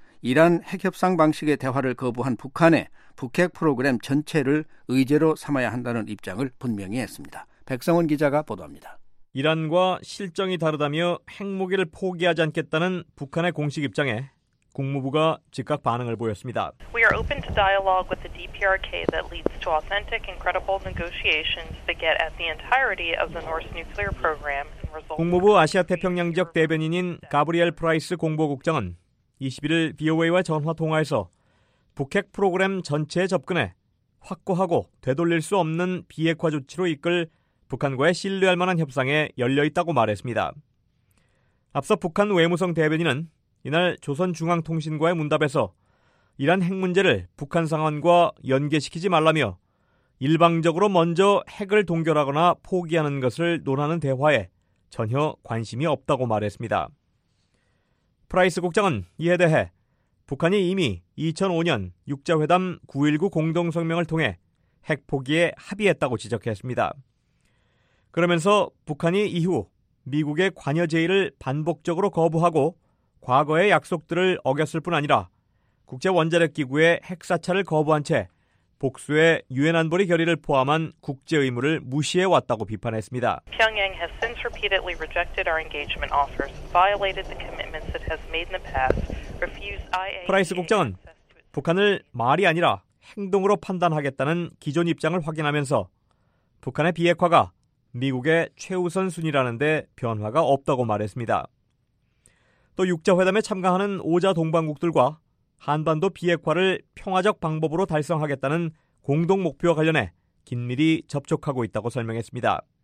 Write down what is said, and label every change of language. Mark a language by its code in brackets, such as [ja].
[ko] 이란 핵협상 방식의 대화를 거부한 북한의 북핵 프로그램 전체를 의제로 삼아야 한다는 입장을 분명히 했습니다. 백성원 기자가 보도합니다. 이란과 실정이 다르다며 핵무기를 포기하지 않겠다는 북한의 공식 입장에 국무부가 즉각 반응을 보였습니다. [en] We are open to dialogue with the DPRK that leads to authentic and credible negotiations to get at the entirety of the North's nuclear program. [ko] 국무부 아시아태평양 지역 대변인인 가브리엘 프라이스 공보국장은 21일 VOA와 전화통화에서 북핵 프로그램 전체에 접근해 확고하고 되돌릴 수 없는 비핵화 조치로 이끌 북한과의 신뢰할 만한 협상에 열려있다고 말했습니다. 앞서 북한 외무성 대변인은 이날 조선중앙통신과의 문답에서 이란 핵 문제를 북한 상황과 연계시키지 말라며 일방적으로 먼저 핵을 동결하거나 포기하는 것을 논하는 대화에 전혀 관심이 없다고 말했습니다. 프라이스 국장은 이에 대해 북한이 이미 2005년 6자회담 9.19 공동성명을 통해 핵 포기에 합의했다고 지적했습니다. 그러면서 북한이 이후 미국의 관여 제의를 반복적으로 거부하고 과거의 약속들을 어겼을 뿐 아니라 국제원자력기구의 핵사찰을 거부한 채 복수의 유엔 안보리 결의를 포함한 국제 의무를 무시해 왔다고 비판했습니다. [en] 평양 has since repeatedly rejected our engagement offers, violated the commitments it has made in the past, refused IAEA. [ko] 프라이스 국장은 북한을 말이 아니라 행동으로 판단하겠다는 기존 입장을 확인하면서 북한의 비핵화가 미국의 최우선 순위라는 데 변화가 없다고 말했습니다. 또 6자 회담에 참가하는 5자 동반국들과 한반도 비핵화를 평화적 방법으로 달성하겠다는 공동 목표와 관련해 긴밀히 접촉하고 있다고 설명했습니다.